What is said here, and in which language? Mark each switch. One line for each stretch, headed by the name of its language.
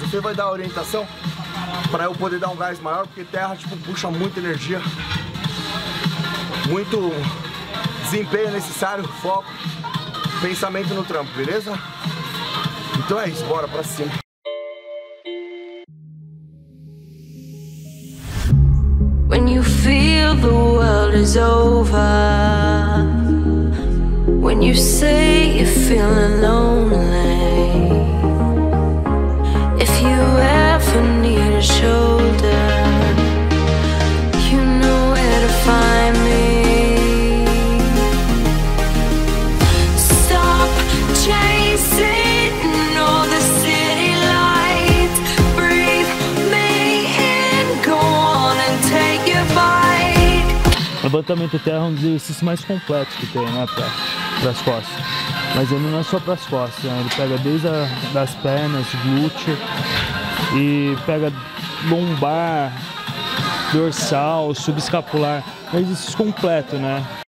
Portuguese: Você vai dar orientação para eu poder dar um gás maior, porque terra tipo, puxa muita energia, muito desempenho necessário, foco, pensamento no trampo, beleza? Então é isso, bora para cima.
English: When you feel the world is over. When you say you're feeling lonely, if you ever need a shoulder, you know where to find me. Stop chasing all the city lights, breathe me in, go on and take your bite.
Portuguese: Levantamento terra é um dos exercícios mais completos que tem, né, Pé? Para as costas, mas ele não é só para as costas, né? Ele pega desde as pernas, glúteo, e pega lombar, dorsal, subescapular, é exercício completo, né?